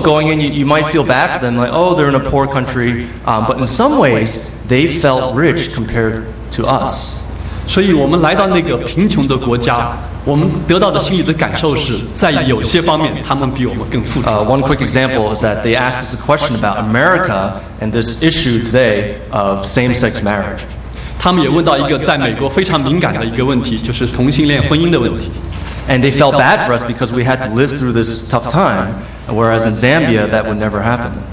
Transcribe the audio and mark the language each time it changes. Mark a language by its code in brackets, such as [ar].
[en] going in, you might feel bad for them, like, oh, they're in a poor country, but in some ways they felt rich compared to us. [zh] 所以我们来到那个贫穷的国家。 [en] One quick example is that they asked us a question about America and this issue today of same-sex marriage. [zh] 他们也问到一个在美国非常敏感的一个问题，就是同性恋婚姻的问题。 [en] And they felt bad for us because we had to live through this tough time, whereas in Zambia that would never happen.